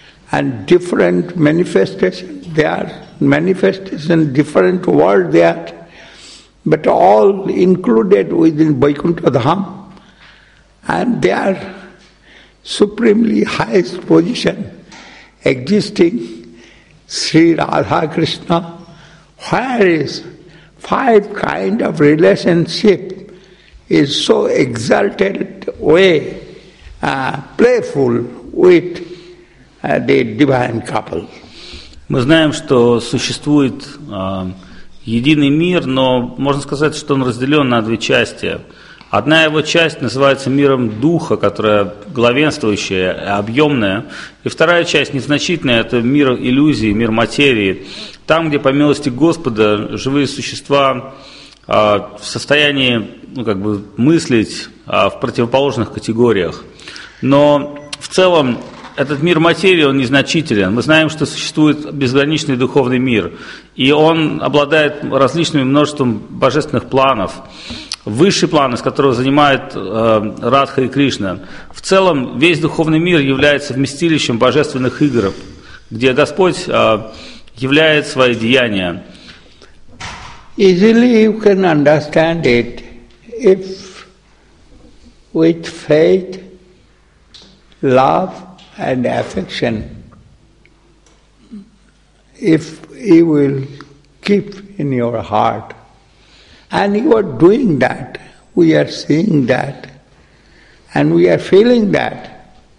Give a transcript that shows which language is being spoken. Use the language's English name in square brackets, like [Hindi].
[English] and different manifestation, they are manifestation, different world they are, but all included within Vaikuntha Dham, and they are supremely highest position existing Sri Radha Krishna. Where is five kind of relationship is so exalted way, playful with the divine couple. [Russian] Мы знаем, что существует единый мир, но можно сказать, что он разделен на две части. Одна его часть называется миром духа, которая главенствующая, объемная. И вторая часть, незначительная, это мир иллюзий, мир материи. Там, где по милости Господа живые существа в состоянии мыслить в противоположных категориях. Но в целом этот мир материи, он незначителен. Мы знаем, что существует безграничный духовный мир. И он обладает различным множеством божественных планов. Высший план, из которого занимают Радха и Кришна. В целом, весь духовный мир является вместилищем божественных игр, где Господь являет свои деяния. [English] Easily you can understand it, if with faith, love and affection, if you will keep in your heart, and you are doing that, we are seeing that, and we are feeling that.